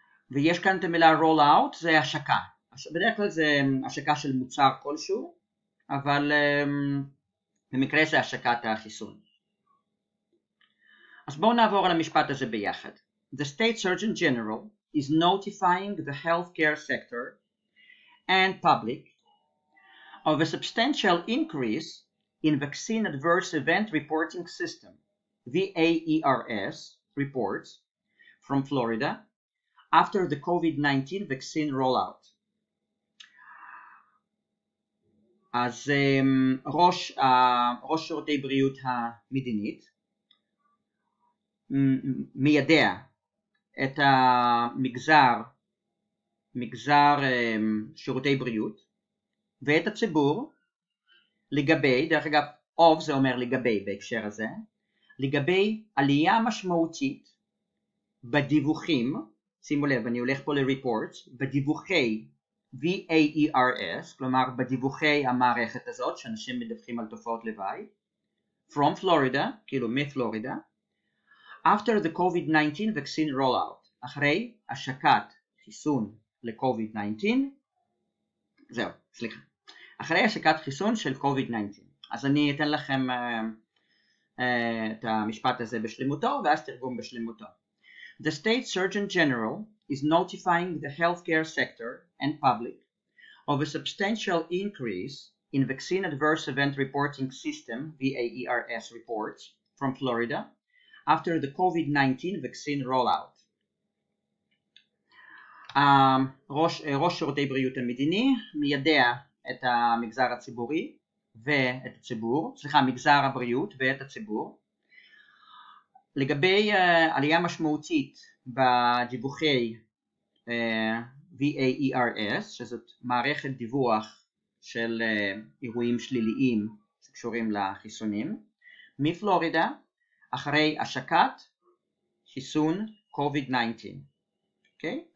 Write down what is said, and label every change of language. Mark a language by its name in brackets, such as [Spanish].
[Hebrew] ויש כאן את המילה roll out, זה השקה. בדרך כלל זה השקה של מוצר כלשהו, אבל במקרה זה השקת החיסון. אז בואו נעבור על המשפט הזה ביחד. [English] The State Surgeon General is notifying the healthcare sector and public of a substantial increase in Vaccine Adverse Event Reporting System, VAERS, reports from Florida after the COVID-19 vaccine rollout. [Hebrew] אז ראש שירותי בריאות המדינית מיידע את המגזר שירותי בריאות ואת הציבור לגבי, דרך אגב, of זה אומר לגבי בהקשר הזה, לגבי עלייה משמעותית בדיווחים, שימו לב, אני הולך פה ל-reports, בדיווחי VAERS, כלומר בדיווחי המערכת הזאת, שאנשים מדווחים על תופעות לוואי, [English] from Florida, [Hebrew] כאילו מפלורידה, [English] after the COVID-19 vaccine rollout, [Hebrew] אחרי השקת חיסון ל-COVID-19, זהו, סליחה. אחרי השקת חיסון של COVID-19. אז אני אתן לכם את המשפט הזה בשלמותו, ואז תרגום בשלמותו. [English] The State Surgeon General is notifying the healthcare sector and public of a substantial increase in Vaccine Adverse Event Reporting System, VAERS reports, from Florida, after the COVID-19 vaccine rollout. [Hebrew] ראש שירותי בריאות המדיני מיידע את המגזר הציבורי ואת הציבור, סליחה, מגזר הבריאות ואת הציבור, לגבי עלייה משמעותית בדיווחי VAERS, שזאת מערכת דיווח של אירועים שליליים שקשורים לחיסונים, מפלורידה אחרי השקת חיסון COVID-19. Okay?